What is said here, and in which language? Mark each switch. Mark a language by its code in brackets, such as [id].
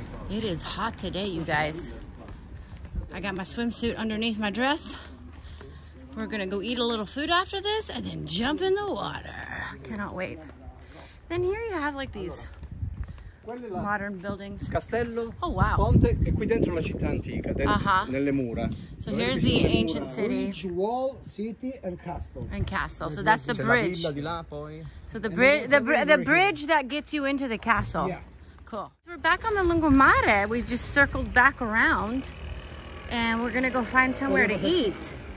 [en] It is hot today, you guys. I got my swimsuit underneath my dress. We're gonna go eat a little food after this and then jump in the water. Cannot wait. Then here you have like these modern buildings. [it] Castello. [en] Oh wow. [it] Ponte e qui dentro la città antica, nelle mura. [en] So here's the ancient city. Wall, city and castle. And castle. So that's the bridge. [it] La villa di là, poi. [en] So the bridge, the bridge that gets you into the castle. Yeah. Cool. So we're back on the Lungomare. We just circled back around, and we're gonna go find somewhere to eat.